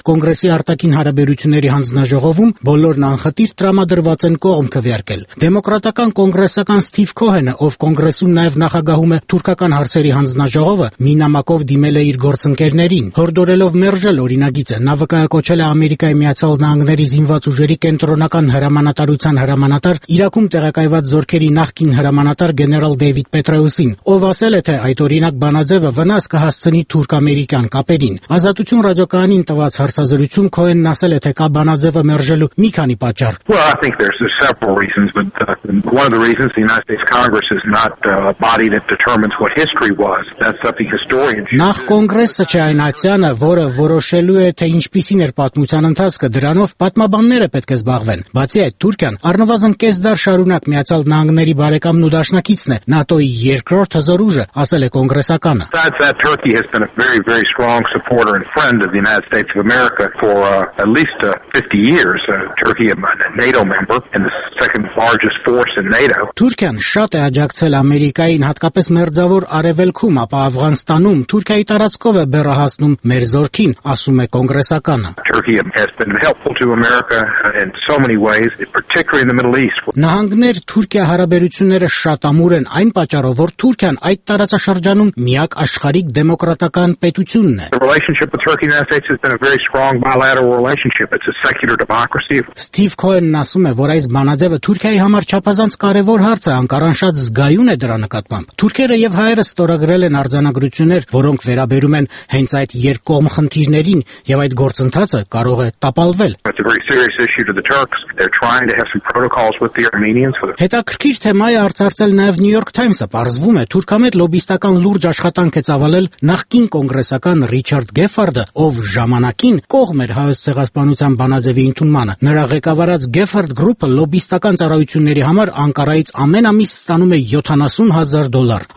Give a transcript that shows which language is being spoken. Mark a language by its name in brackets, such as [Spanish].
[Armenian] կոնգրեսի արտաքին հարաբերությունների հանձնաժողովում բոլորն անխտիր տրամադրված են կողմ քվեարկել։ Դեմոկրատական կոնգրեսական Սթիվ Քոհենը, ով կոնգրեսում նաև նախագահում է թուրքական հարցերի հանձնաժողովը, մի նամակով դիմել է իր գործընկերներին, հորդորելով մերժել օրինագիծը։ Նա վկայակոչել է Ամերիկայի Միացյալ Նահանգների զինված ուժերի կենտրոնական հրամանատարության հրամանատար, Իրաքում տեղակայված զորքերի նախկին հրամանատար գեներալ Դեյվիդ Պետրոյուսին, ով ասել է, թե այդ օրինակ բանաձևը վնաս կհասցնի թուրք-ամերիկյան կապերին։ Ազատություն ռադիոկայանին տված հարցազրույցում Քոհենն ասել է, թե կա բանաձևը մերժելու մի քանի պատճառ։ [English] Well, I think there's several reasons, but one of the reasons the United States Congress is not a body that determines what history was. That's something historians should. [Armenian] Նախ կոնգրեսը չէ այն ացանը, որը որոշելու է, թե ինչպիսին էր պատմության ընթացքը, դրանով պատմաբանները պետք է զբաղվեն։ Բացի այդ, Թուրքիան առնվազն կես դար շարունակ Միացյալ Նահանգների բարեկամն ու դաշնակիցն է, ՆԱՏՕ-ի երկրորդ հզորուժը, ասել է կոնգրեսականը։ [English] Turkey has been a very, very strong supporter and friend of the United States of America for at least 50 years. Turkey is a NATO member and the second largest force in NATO. [Armenian] Թուրքիան շատ է աջակցել Ամերիկային, հատկապես մերձավոր արևելքում, ապա Աֆղանստանում Թուրքիայի տարածքով է բեռահասնում մեր զորքին, ասում է կոնգրեսականը։ [English] Turkey has been helpful to America in so many ways, particularly in the Middle East. [Armenian] Նահանգներ Թուրքիա հարաբերությունները շատ ամուր են, այն պատճառով, որ Թուրքիան այդ տարածաշրջանում միակ աշխարհիկ դեմոկրատական պետությունն է։ [English] The relationship with Turkey and the United States has been a very strong bilateral relationship. It's a secular democracy. [Armenian] Steve Cohen-ն ասում է, որ այս բանաձևը Թուրքիայի համար չափազանց կարևոր հարց է, Անկարան շատ զգայուն է դրա նկատմամբ։ Թուրքերը եւ հայերը ստորագրել են արձանագրություններ, որոնք վերաբերում են հենց այդ երկկողմ խնդիրներին, եւ այդ գործընթացը կարող է տապալվել։ [English] It's a very serious issue to the Turks. They're trying to have some protocols with the Armenians for the [Armenian] Հետաքրքիր թեմա է արձարծել նաեւ New York Times-ը, պարզվում է, թուրքամետ լոբիստական լուրջ աշխատանք է ծավալել նախկին կոնգրեսական Ռիչարդ Գեֆարդը, ով ժամանակին կողմ էր հայոց ցեղասպանության Հայաստանյան բանաձևի ընդունմանը։ Նրա ղեկավարած Gefford Group-ը լոբիստական ծառայությունների համար Անկարայից ամեն ամիս ստանում է $70,000.